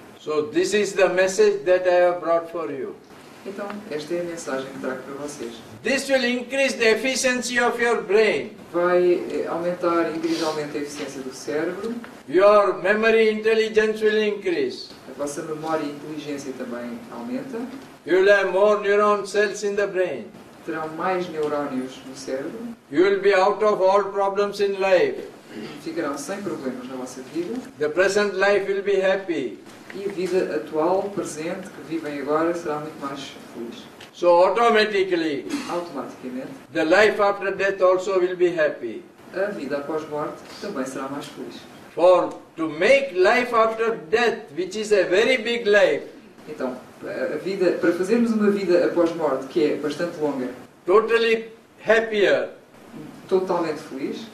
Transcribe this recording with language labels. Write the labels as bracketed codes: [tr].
[en] So this is the message that I have brought for you. [pt] Então, esta é a mensagem que trago para vocês. [en] This will increase the efficiency of your brain. [pt] Vai aumentar incrivelmente a eficiência do cérebro. [en] Your memory intelligence will increase. [pt] A vossa memória e inteligência também aumenta. [en] You will have more neuron cells in the brain. [pt] Terão mais neurónios no cérebro. [en] You will be out of all problems in life. [pt] Ficarão sem problemas na vossa vida. [en] The present life will be happy. [pt] E a vida atual, presente, que vivem agora, será muito mais feliz. [en] So automatically, [pt] automaticamente, [en] the life after death also will be happy. [pt] A vida após morte também será mais feliz. [en] For to make life after death, which is a very big life. [pt] Então, a vida, para fazermos uma vida após morte que é bastante longa. [en] Totally happier. [pt] Totalmente feliz.